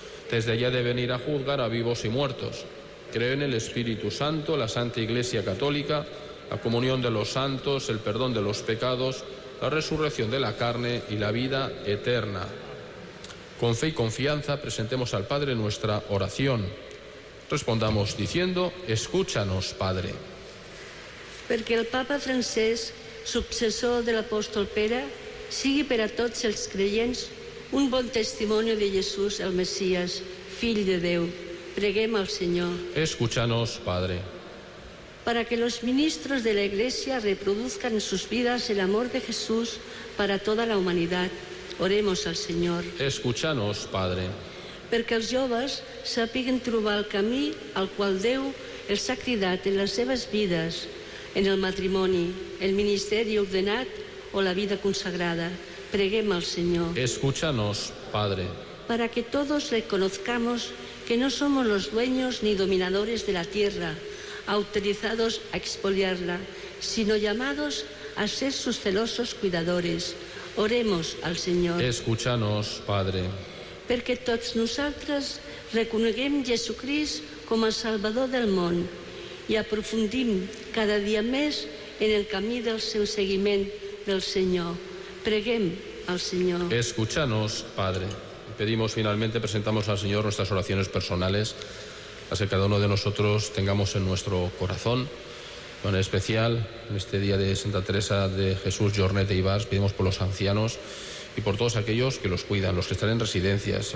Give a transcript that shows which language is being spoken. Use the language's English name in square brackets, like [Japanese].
[Spanish] Desde allá de venir a juzgar a vivos y muertos. Creo en el Espíritu Santo, la Santa Iglesia Católica, la comunión de los santos, el perdón de los pecados, la resurrección de la carne y la vida eterna. Con fe y confianza presentemos al Padre nuestra oración. Respondamos diciendo: escúchanos, Padre. [Catalan] Perquè el Papa Francesc, successor de l'apòstol Pere, sigui per a tots els creients un bon testimoni de Jesús, el Messias, fill de Déu. Preguem al Senyor. [Spanish] Escúchanos, Padre. Para que los ministros de la Iglesia reproduzcan en sus vidas el amor de Jesús para toda la humanidad. Oremos al Señor. Escúchanos, Padre. [Catalan] Perquè els joves sàpiguen trobar el camí al qual Déu els ha cridat en les seves vides, en el matrimoni, el ministeri ordenat o la vida consagrada. Preguem al Señor. [Spanish] Escúchanos, Padre. Para que todos reconozcamos que no somos los dueños ni dominadores de la tierra, autorizados a expoliarla, sino llamados a ser sus celosos cuidadores. Oremos al Señor. Escúchanos, Padre. [Catalan] Perquè tots nosaltres reconeguem Jesucrist com a Salvador del món i aprofundim cada dia més en el camí del seu seguiment del Senyor. Preguem al Senyor. [Spanish] Escúchanos, Padre. Pedimos finalmente, presentamos al Señor nuestras oraciones personales, las que cada uno de nosotros tengamos en nuestro corazón. De manera especial, en este día de Santa Teresa de Jesús, Jornet e Ibars, pedimos por los ancianos y por todos aquellos que los cuidan, los que están en residencias.